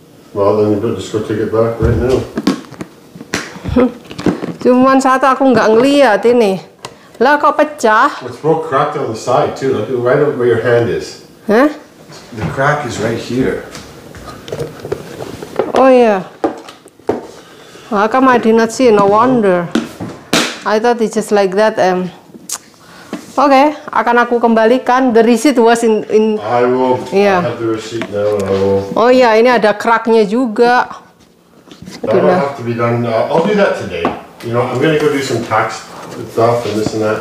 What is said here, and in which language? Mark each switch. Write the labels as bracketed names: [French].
[English] Well, then you just go take it back right now. [Indonesian] Cuman satu aku nggak ngeliat ini. Lah kok pecah? [English] It's broke cracked on the side too. Look right over where your hand is. Huh? The crack is right here. Oh yeah. How come I did not see? No wonder. I thought it's just like that. [Indonesian] Oke, okay, akan aku kembalikan. [English] The receipt was in. In I will. Yeah. I have the receipt now. And I will. [Indonesian] Oh yeah, ini ada cracknya juga. [English] That will have to be done. I'll do that today. You know, I'm gonna go do some tax stuff and this and that.